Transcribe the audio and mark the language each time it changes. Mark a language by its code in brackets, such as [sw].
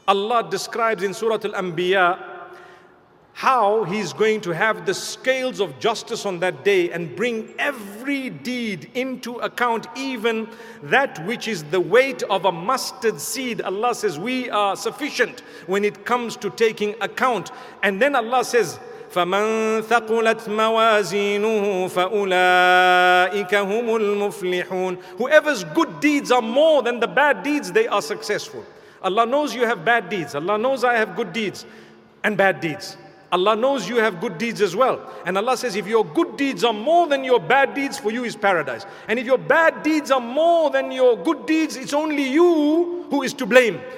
[en] Allah describes in Surah Al-Anbiya how he's going to have the scales of justice on that day and bring every deed into account, even that which is the weight of a mustard seed. Allah says, we are sufficient when it comes to taking account. And then Allah says, [ar] فَمَنْ ثَقُلَتْ مَوَازِينُهُ فَأُولَٰئِكَ هُمُ الْمُفْلِحُونَ. [en] Whoever's good deeds are more than the bad deeds, they are successful. Allah knows you have bad deeds. Allah knows I have good deeds and bad deeds. Allah knows you have good deeds as well. And Allah says, if your good deeds are more than your bad deeds, for you is paradise. And if your bad deeds are more than your good deeds, it's only you who is to blame.